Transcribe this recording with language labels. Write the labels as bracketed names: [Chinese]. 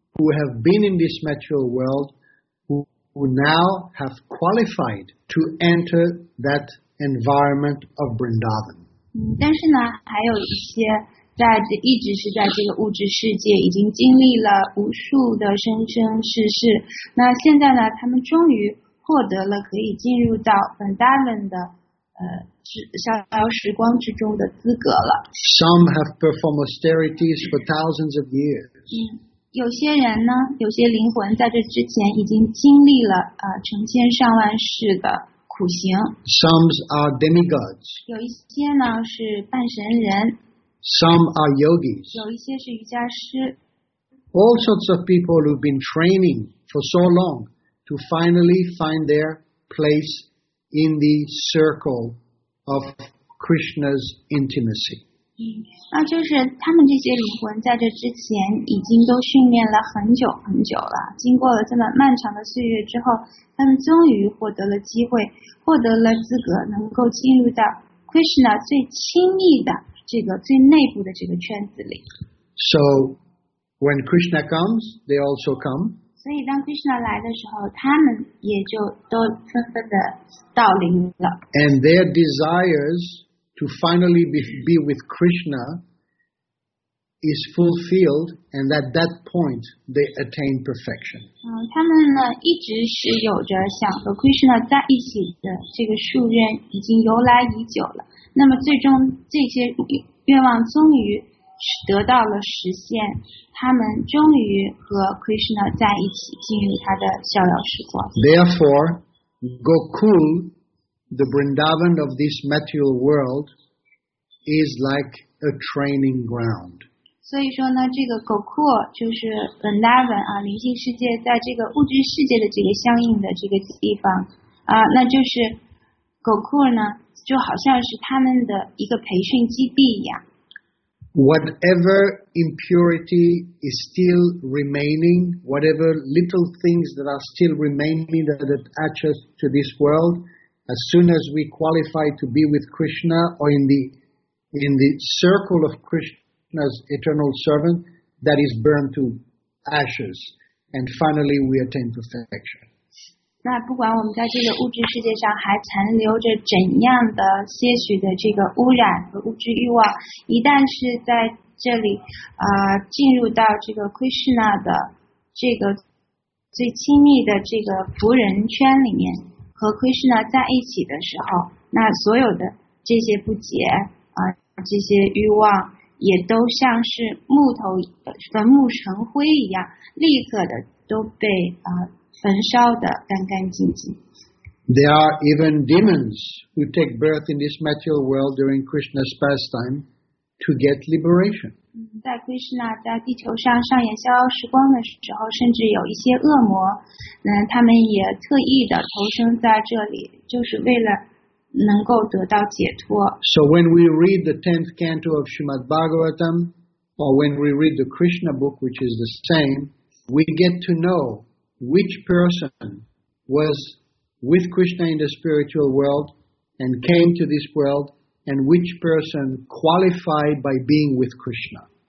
[English] Who have been in this material world, who now have qualified to enter that environment of Vrindavan. [Chinese] 但是呢，还有一些在一直是在这个物质世界，已经经历了无数的生生世世。那现在呢，他们终于获得了可以进入到 Vrindavan 的逍遥时光之中的资格了。 [English] Some have performed austerities for thousands of years. [Chinese] 有些人呢，有些灵魂在这之前已经经历了成千上万世的苦行。 [English] Some are demigods. [Chinese] 有一些呢是半神人。 [English] Some are yogis. [Chinese] 有一些是瑜伽师。 [English] All sorts of people who've been training for so long to finally find their place in the circle of Krishna's intimacy. [Chinese] 那就是他们这些灵魂在这之前已经都训练了很久很久了，经过了这么漫长的岁月之后，他们终于获得了机会，获得了资格，能够进入到 Krishna 最亲密的这个最内部的这个圈子里。 [English] So when Krishna comes, they also come. [Chinese] 所以当 Krishna 来的时候，他们也就都纷纷的到临了。 [English] And their desires to finally be with Krishna is fulfilled, and at that point they attain perfection. [Chinese] 他们呢一直是有着想和 Krishna 在一起的这个夙愿，已经由来已久了。那么最终这些愿望终于得到了实现，他们终于和 Krishna 在一起，进入他的逍遥时光。 [English] Therefore, Gokul. The Vrindavan of this material world is like a training ground. [Chinese] 所以说呢，这个 Gokul 就是 Vrindavan 啊，灵性世界在这个物质世界的这个相应的这个地方啊，那就是 Gokul 呢，就好像是他们的一个培训基地一样。 [English] whatever impurity is still remaining, whatever little things that are still remaining that attach us to this world, as soon as we qualify to be with Krishna or in the circle of Krishna's eternal servant, that is burned to ashes. And finally, we attain perfection. [Chinese] 那不管我们在这个物质世界上还残留着怎样的些许的这个污染和物质欲望，一旦是在这里，进入到这个 Krishna 的这个最亲密的这个仆人圈里面，和 Krishna 在一起的时候，那所有的这些不洁啊、这些欲望，也都像是木头焚木成灰一样，立刻的都被啊。焚烧的干干净净。 [English] There are even demons who take birth in this material world during Krishna's pastime to get liberation. [Chinese] 在 Krishna 在地球上上演逍遥时光的时候，甚至有一些恶魔，他们也特意的投生在这里，就是为了能够得到解脱。 [English] So when we read the 10th canto of Srimad Bhagavatam, or when we read the Krishna book, which is the same, we get to know. Which person was with Krishna in the spiritual world and came to this world, and which person qualified by being with Krishna?